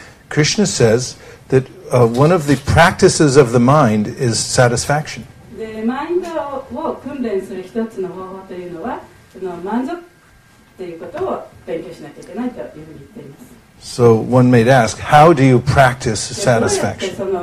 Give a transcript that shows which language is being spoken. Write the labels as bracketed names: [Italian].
[English] Krishna says that one of the practices of the mind is satisfaction. [Japanese] で、マインドを訓練する一つの方法というのは、その満足ということを勉強しなきゃいけないというふうに言っています。 [English] So one may ask, how do you practice satisfaction?